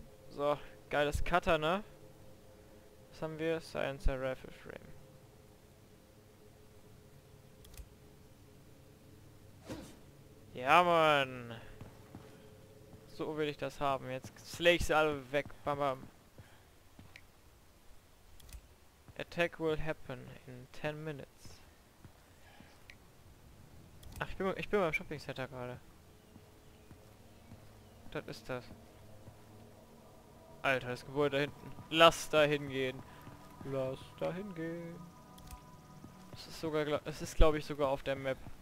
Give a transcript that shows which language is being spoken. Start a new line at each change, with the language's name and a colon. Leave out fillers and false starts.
German: So, geiles Cutter, ne? Was haben wir?
English: Science Rifle Frame.
German: Ja, Mann. So will ich das haben. Jetzt slay ich sie alle weg. Bam, bam.
English: Attack will happen in 10 minutes.
German: Ach, ich bin beim Shopping Center gerade. Das ist das. Alter, das Gebäude da hinten. Lass da hingehen. Lass da hingehen. Es ist glaube ich sogar auf der Map.